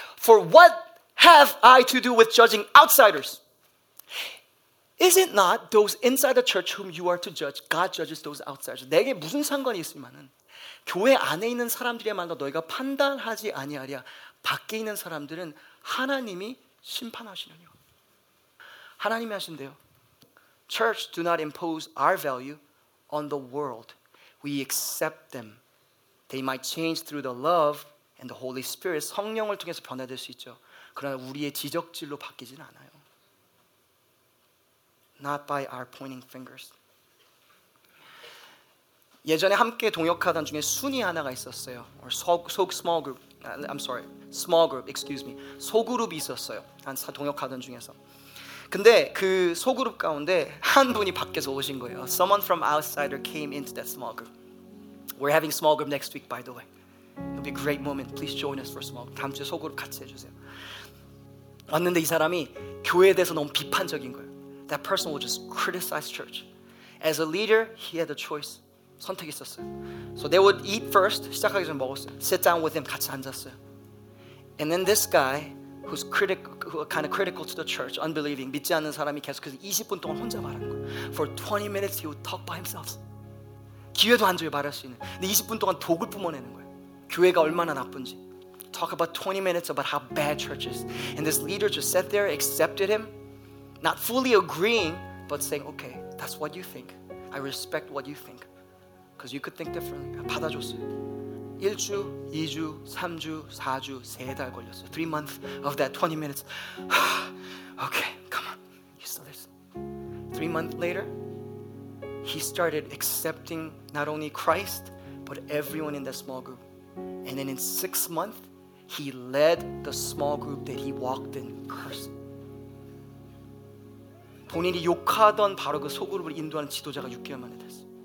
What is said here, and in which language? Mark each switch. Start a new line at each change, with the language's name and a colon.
English: For what have I to do with judging outsiders? Is it not those inside the church whom you are to judge? God judges those outsiders.
Korean: 내게 무슨 상관이 있으면은 교회 안에 있는 사람들이야말로 너희가 판단하지 아니하랴. 밖에 있는 사람들은 하나님이 심판하시느니라. 하나님이 하신대요.
English: Church, do not impose our value on the world. We accept them. They might change through the love and the Holy Spirit.
Korean: 성령을 통해서 변화될 수 있죠. 그러나 우리의 지적질로 바뀌진 않아요.
English: Not by our pointing fingers.
Korean: 예전에 함께 동역하던 중에 순이 하나가 있었어요.
English: Or small group. I'm sorry. Small group. Excuse me.
Korean: 소그룹이 있었어요. 한 동역하던 중에서. 근데 그 소그룹 가운데 한 분이 밖에서 오신 거예요.
English: Someone from outsider came into that small group. We're having small group next week, by the way. It'll be a great moment. Please join us for small group.
Korean: 다음 주에 소그룹 같이 해주세요. 왔는데 이 사람이 교회에 대해서 너무 비판적인 거예요.
English: That person will just criticize church. As a leader, he had a choice.
Korean: 선택이 있었어요.
English: So they would eat first.
Korean: 시작하기 전에 먹었어요.
English: Sit down with him.
Korean: 같이 앉았어요.
English: And then this guy, who's kind of critical to the church, unbelieving,
Korean: 믿지 않는 사람이 계속해서 20분 동안 혼자 말한 거.
English: For 20 minutes, he would talk by himself.
Korean: 기회도 안 줘요, 말할 수 있는. 근데 20분 동안 독을 뿜어내는 거예요. 교회가 얼마나 나쁜지.
English: Talk about 20 minutes about how bad church is. And this leader just sat there, accepted him, not fully agreeing, but saying, okay, that's what you think. I respect what you think. Because you could think differently.
Korean: 받아줬어요. 1주, 2주, 3주, 4주, 3달 걸렸어요.
English: 3 months of that 20 minutes. Okay, come on. You still listen. 3 months later, he started accepting not only Christ, but everyone in that small group. And then in 6 months, he led the small group that he walked in cursed.
Korean: 본인이 욕하던 바로 그 소그룹을 인도하는 지도자가 6개월 만에 됐어.